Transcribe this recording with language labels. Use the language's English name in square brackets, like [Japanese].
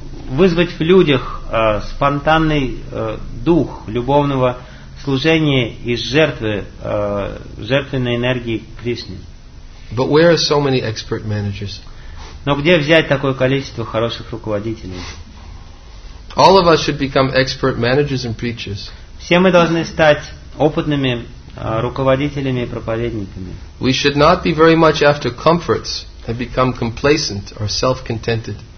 [Russian] Вызвать в людях спонтанный дух любовного служения и жертвы, жертвенной энергии Кришны. [English] But where are so many expert managers? [Russian] Но где взять такое количество хороших руководителей? [English] All of us should become expert managers and preachers. [Russian] Все мы должны стать опытными руководителями и проповедниками. [English] We should not be very much after comforts and become complacent or self-contented.